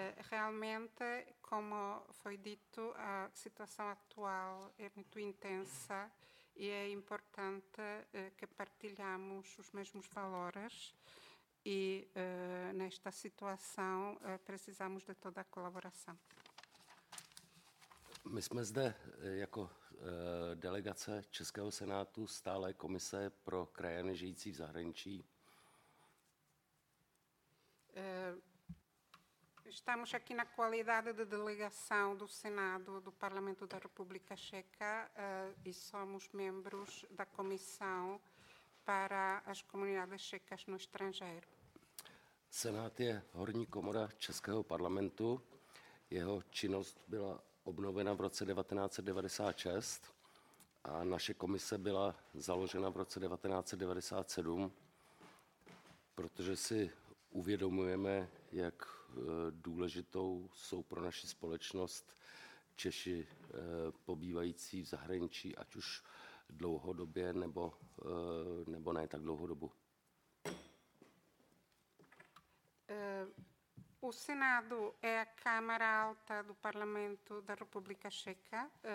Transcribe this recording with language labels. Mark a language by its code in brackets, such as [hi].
[pt] Realmente, como foi dito, a situação atual é muito intensa e é importante que partilhamos os mesmos valores e, nesta situação, precisamos de toda a colaboração. [cs] My jsme zde jako delegace Českého senátu stále komise pro krajany žijící v zahraničí. [pt] Estamos aqui na qualidade de delegação do Senado do Parlamento da República Checa e somos membros da Comissão para as Comunidades Checas no Estrangeiro. [cs] Senát je horní komora Českého parlamentu. Jeho činnost byla obnovena v roce 1996 a naše komise byla založena v roce 1997, protože si uvědomujeme, jak důležitou jsou pro naši společnost Češi pobývající v zahraničí, ať už dlouhodobě nebo ne tak dlouhodobu. [pt] O Senado é a Câmara Alta do Parlamento da República Checa.